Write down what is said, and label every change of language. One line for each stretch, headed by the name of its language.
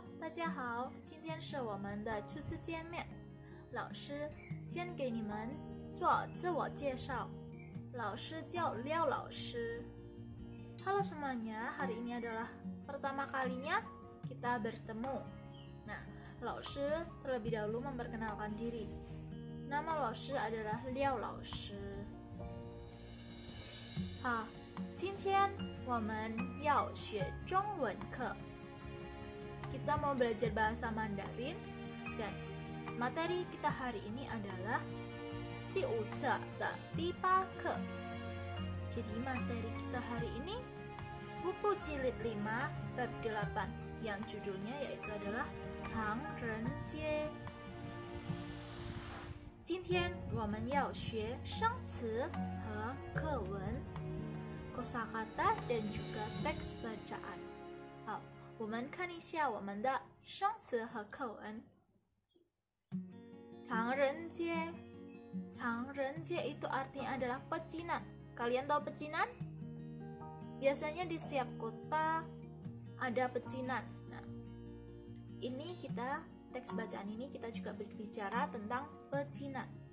Chinese: 家好，今天是我们的初次见面。老师先给你们做自我介绍。老师叫廖老师。
Indonesian: Halo semuanya, hari ini adalah pertama kalinya kita bertemu. Nah, 老师 terlebih dahulu memperkenalkan diri. Nama 老师 adalah Liao 老师。
Chinese: 好，今天我们要学中文课。
Indonesian: Kita mau belajar bahasa Mandarin dan materi kita hari ini adalah di uca da di pa ke. Jadi materi kita hari ini buku jilid 5 bab 8 yang judulnya yaitu adalah Hang Ren Jie. 今天我们要学生词和课文 kosakata dan juga teks bacaan.
Chinese: 好，我们看一下我们的生词和课文。
Indonesian: 唐人街，唐人街 itu artinya adalah pecinan. Kalian tahu pecinan? Biasanya di setiap kota ada pecinan. Nah, ini kita teks bacaan ini kita juga berbicara tentang pecinan.